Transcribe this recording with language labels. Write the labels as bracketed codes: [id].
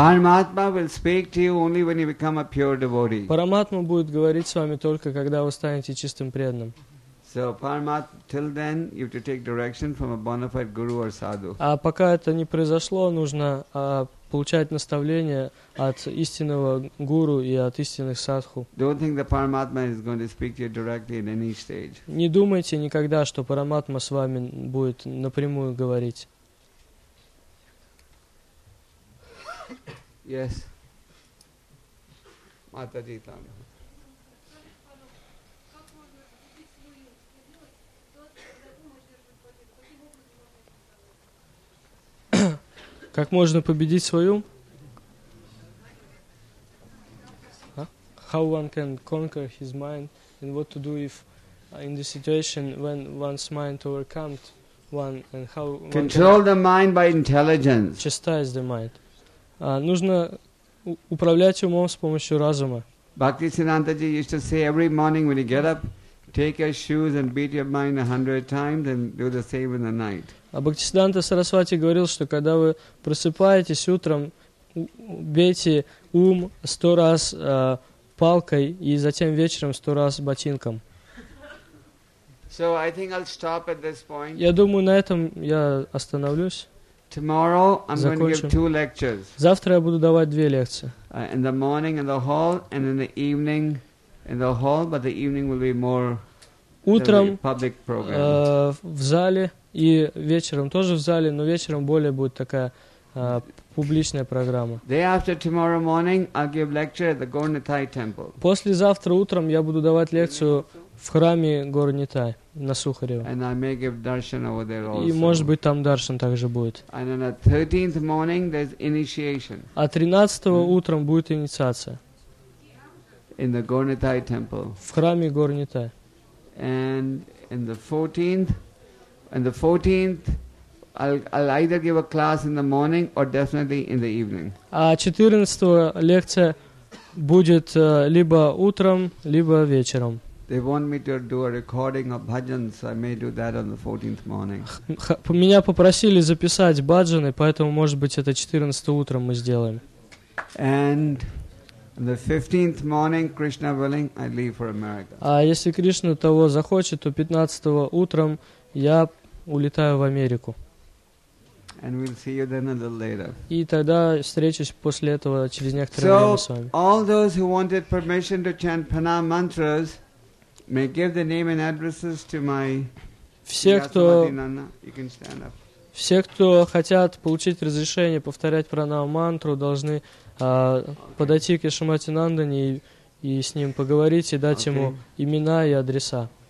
[en] Paramatma will speak to you only when you become a pure devotee. [ru] Paramatma будет говорить с вами только когда вы станете чистым преданным. [en] So, till then, you have to take direction from a bona fide guru or sadhu. [ru] А пока это не произошло, нужно получать наставление от истинного гуру и от истинных садху. [en] Don't think the Paramatma is going to speak to you directly in any stage. [ru] Не думайте никогда, что Параматма с вами будет напрямую говорить. [en] Yes. [ru] Матаджи там. Как можно победить свою? [en] How one can conquer his mind and what to do if in the situation when one's mind overcomes one and how control the mind by intelligence. Chastise the mind. [ru] Нужно управлять умом с помощью разума. [en] Bhakti Sinantaji used to say every morning when you get up, take your shoes and beat your mind 100 times and do the same in the night. [ru] А Бхактисиддханта Сарасвати говорил, что когда вы просыпаетесь утром, бейте ум 100 раз палкой и затем вечером 100 раз ботинком. [en] So I think I'll stop at this point. [ru] Я думаю, на этом я остановлюсь. [en] Tomorrow I'm going to give 2 lectures. [ru] Завтра я буду давать 2 лекции. [en] In the morning in the hall and in the evening in the hall, but the evening will be more [ru] утром, [en] the public program. [ru] В зале и вечером тоже в зале, но вечером более будет такая публичная программа. [en] Day after tomorrow morning I'll give lecture at the Gornithai temple. [ru] Послезавтра утром я буду давать лекцию в храме Горнитай на Сухарево. [en] And I may give darshan over there also. [ru] И может быть там даршан также будет. [en] And on the 13th morning there's initiation. [ru] А 13-го утром будет инициация. [en] In the Gornithai temple. [ru] В храме Горнитай. [en] And in the 14th, and the 14th I'll either give a class in the morning or definitely in the evening. [ru] А 14-го лекция будет либо утром, либо вечером. [en] They want me to do a recording of bhajans. I may do that on the 14th morning. [ru] Меня попросили записать бхаджаны, поэтому, может быть, это 14 утром мы сделаем. [en] And on the 15th morning, Krishna willing, I leave for America. [ru] А если Кришна того захочет, то 15 утром я улетаю в Америку. [en] And we'll see you then a little later. [ru] И тогда встречусь после этого через некоторое время с вами. [en] So all those who wanted permission to chant pranam mantras. May give the name and addresses to my You can stand up. [ru] Все, кто хотят получить разрешение повторять пранам мантру, должны подойти к Яшамати Нандане и с ним поговорить и дать ему имена и адреса.